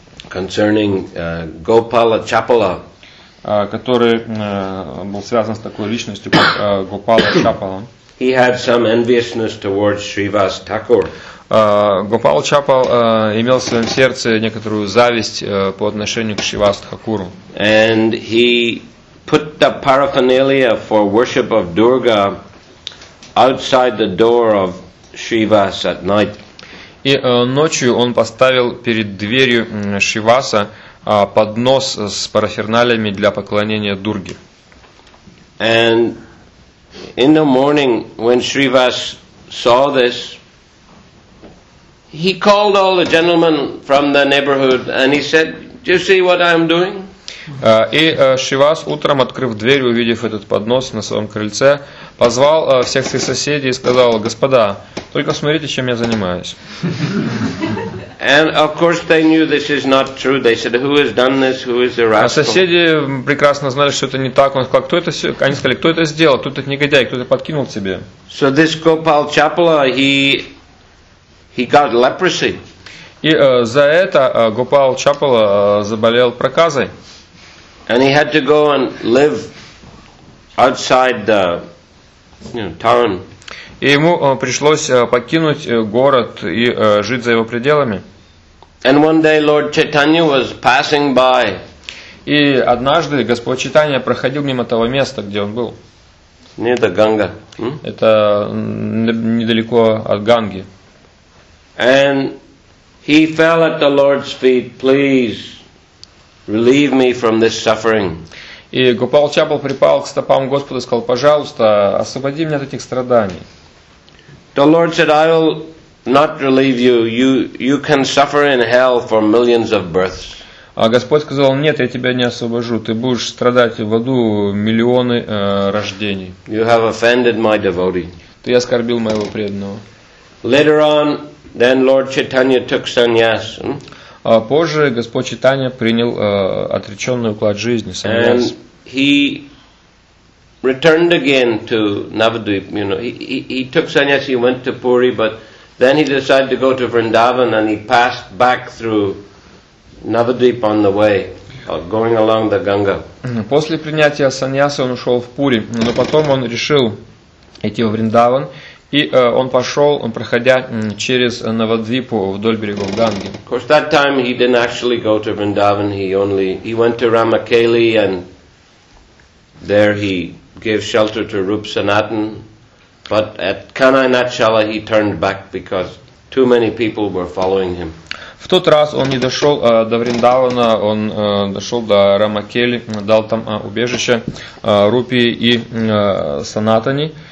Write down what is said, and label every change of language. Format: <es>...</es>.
<en>Concerning Gopala Chapala.</en> <ru>Который был связан с такой личностью, как Гопала Чапала.</ru> <en>He had some enviousness towards Shrivas Thakur.</en> <ru>Гопал Чапал имел в своем сердце некоторую зависть по отношению к Шривас Тхакуру.</ru> <en>And he put the paraphernalia for worship of Durga outside the door of Shrivas at night.</en> <ru>И ночью он поставил перед дверью Шриваса поднос с параферналиями для поклонения Дурге.</ru> <en>And in the morning, when Shrivas saw this, he called all the gentlemen from the neighborhood and he said, "Do you see what I am doing?"</en> <ru>И Шивас утром, открыв дверь, увидев этот поднос на своем крыльце, позвал всех своих соседей и сказал: «Господа, только смотрите, чем я занимаюсь». Соседи прекрасно знали, что это не так. Он сказал: «Кто это? Они сказали: кто это сделал? Кто этот негодяй? Кто это подкинул тебе?»</ru> <en>So this Gopal Chapla, he got leprosy.</en> <ru>И за это Гопал Чапала заболел проказой.</ru> <en>And he had to go and live outside the, you know, town.</en> <ru>И ему пришлось покинуть город и жить за его пределами.</ru> <en>And one day Lord Chaitanya was passing by.</en> <ru>И однажды Господь Чайтанья проходил мимо того места, где он был. Не это Ганга. Это недалеко от Ганги.</ru> <en>And he fell at the Lord's feet, please relieve me from this suffering.</en> <ru>И Гопал Чапал припал к стопам Господа и сказал: пожалуйста, освободи меня от этих страданий.</ru> <en>The Lord said, I will not relieve you. You can suffer in hell for millions of births.</en> <ru>А Господь сказал: нет, я тебя не освобожу. Ты будешь страдать в аду миллионы рождений.</ru> <en>You have offended my devotee.</en> <ru>Ты оскорбил моего преданного.</ru> <en>Later on, then Lord Chaitanya took sannyas.</en> <ru>А позже Господь Чайтанья принял отреченный уклад жизни, саньяс.</ru> <en>And he returned again to Navadvip. You know, he took sannyas, he went to Puri, but then he decided to go to Vrindavan and he passed back through Navadvip on the way, going along the Ganga.</en> <ru>После принятия саньяса он ушел в Пури, но потом он решил идти в Вриндаван. И он пошел, проходя через Навадвипу вдоль берегов Ганги.</ru> <en>Of course, that time he didn't actually go to Vrindavan. He went to Ramakeli, and there he gave shelter to Rupa Sanatan. But at Kanainatshala he turned back because too many people were following him.</en> <ru>В тот раз он не дошел до Вриндавана, он дошел до Рамакели, дал там убежище Рупи и Санатани.</ru>